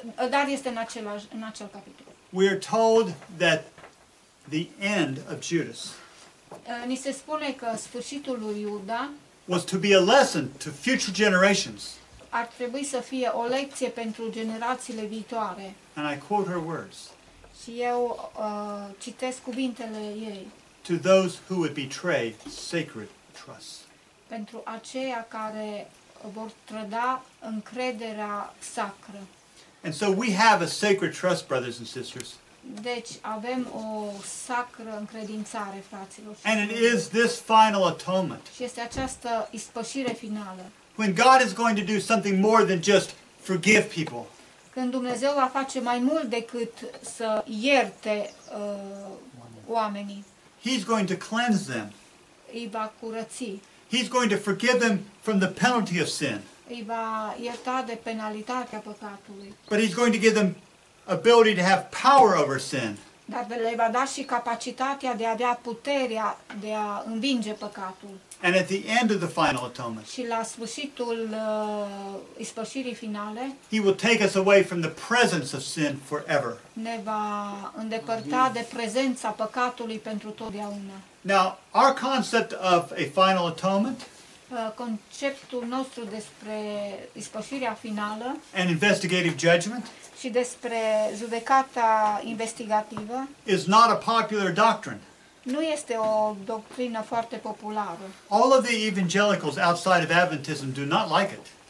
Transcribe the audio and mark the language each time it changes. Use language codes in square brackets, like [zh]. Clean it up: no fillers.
[ro] Dar este în acel capitol. [en] We are told that the end of Judas. [ro] Ni se spune că sfârșitul lui Iuda [en] was to be a lesson to future generations. [ro] Ar trebui să fie o lecție pentru generațiile viitoare. [en] And I quote her words. [ro] Și eu citesc cuvintele ei. [en] To those who would betray sacred trust. [ro] Pentru aceia care vor trăda încrederea sacră. [en] And so we have a sacred trust, brothers and sisters. [ro] Deci avem o sacră încredințare, fraților. [en] And it is this final atonement. [ro] Și este această ispășire finală. [en] When God is going to do something more than just forgive people. [ro] Când Dumnezeu va face mai mult decât să ierte oamenii. [en] He's going to cleanse them. [ro] Îi va curăți. [en] He's going to forgive them from the penalty of sin. [ro] Îi va ierta de penalitatea păcatului. [en] But he's going to give them ability to have power over sin. [ro] Dar le va da și capacitatea de a avea puterea de a învinge păcatul. [en] And at the end of the final atonement. [ro] Și la sfârșitul ispășirii finale. [en] He will take us away from the presence of sin forever. [ro] Ne va îndepărta de prezența păcatului pentru totdeauna. [en] Now, our concept of a final atonement. [ro] Conceptul nostru despre ispășirea finală. [en] And investigative judgment. [ro] Și despre judecata investigativă. [en] Is not a popular doctrine. [ro] Nu este o doctrină foarte populară. [en] All of the evangelicals outside of Adventism do not like it.